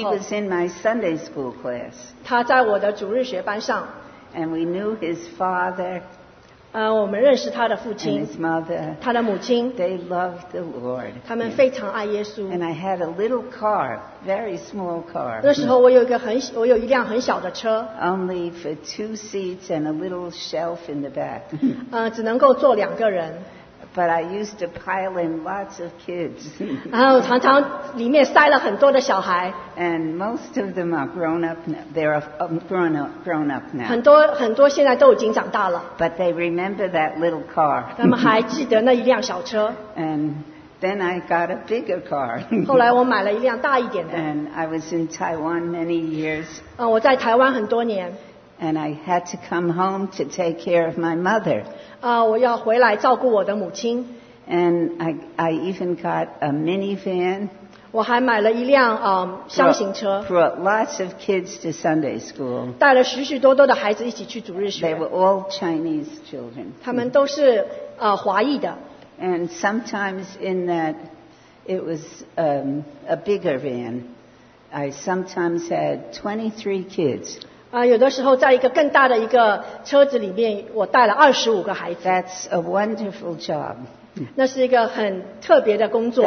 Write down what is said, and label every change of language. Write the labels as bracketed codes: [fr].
[en] ，he was in my Sunday school class. [zh] 他在我的主日学班上。 [en] And we knew his father. [zh] 我们认识他的父亲 [en] and his mother, [zh] 他的母亲 [en] they loved the Lord, [zh] 他们非常爱耶稣 [en] and I had a little car, very small car, [zh] 那时候我有一辆很小的车 [en] only for two seats and a little shelf in the back, [zh] 只能够坐两个人 [en] but I used to pile in lots of kids, [zh] 然后常常里面塞了很多的小孩 [en] and most of them are grown up now. They're grown up now. [zh] 很多现在都已经长大了。 [en] But they remember that little car. [zh] 他们还记得那一辆小车。 [en] And then I got a bigger car. [zh] 后来我买了一辆大一点的。 [en] And I was in Taiwan many years. [zh] 我在台湾很多年。 [en] And I had to come home to take care of my mother. [zh] 我要回来照顾我的母亲。 [en] And I even got a minivan. [zh] 我还买了一辆厢型车 [en] brought lots of kids to Sunday school. [zh] 带了许许多多的孩子一起去主日学 [en] They were all Chinese children. [zh] 他们都是华裔的 [en] And sometimes in that it was a bigger van. I sometimes had 23 kids. [zh] 有的时候在一个更大的一个车子里面我带了25个孩子 [en] That's a wonderful job. [zh] 那是一个很特别的工作